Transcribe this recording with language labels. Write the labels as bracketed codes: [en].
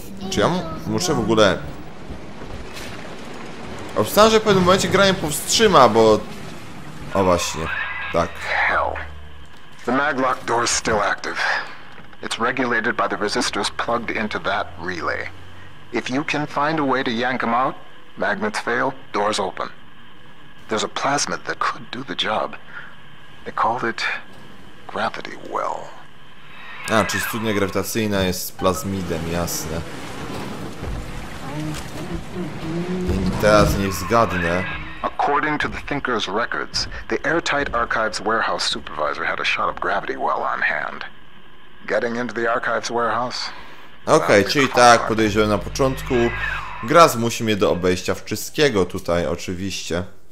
[pl] Czy ja muszę w ogóle... Obstawiam, że w pewnym momencie gra nie powstrzyma, bo... O właśnie, tak. [en] The maglock door is still active. It's regulated by the resistors plugged into that relay. If you can find a way to yank them out, magnets fail, doors open. There's a plasmid that could do the job. They called it gravity well. [pl] A, czy studnia grawitacyjna jest plazmidem, jasne. I teraz niech zgadnę. [en] According to the Thinker's records, the Airtight Archives warehouse supervisor had a shot of gravity well on hand. Getting into the Archives warehouse? [pl] Okej, czyli tak, podejrzewam na początku. Gra zmusi mnie do obejścia wszystkiego tutaj, oczywiście.